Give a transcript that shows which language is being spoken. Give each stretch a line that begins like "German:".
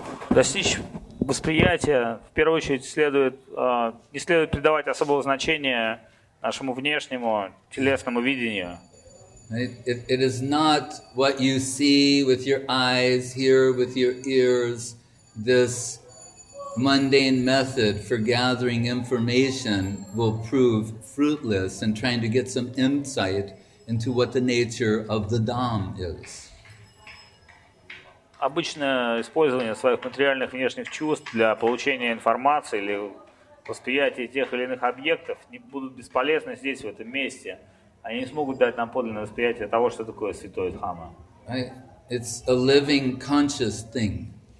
Russian: Достичь восприятия, в первую очередь, следует не следует придавать особого значения нашему внешнему телесному видению.
English: It is not what you see with your eyes, hear with your ears, this mundane method for gathering information will prove fruitless in trying to get some insight into what the nature of the Dham is.
Russian: Обычное использование своих материальных внешних чувств для получения информации или восприятия тех или иных объектов не будут бесполезны здесь, в этом месте. Они не смогут дать нам подлинное восприятие того, что такое святой Дхамма.
English: It's a living conscious thing.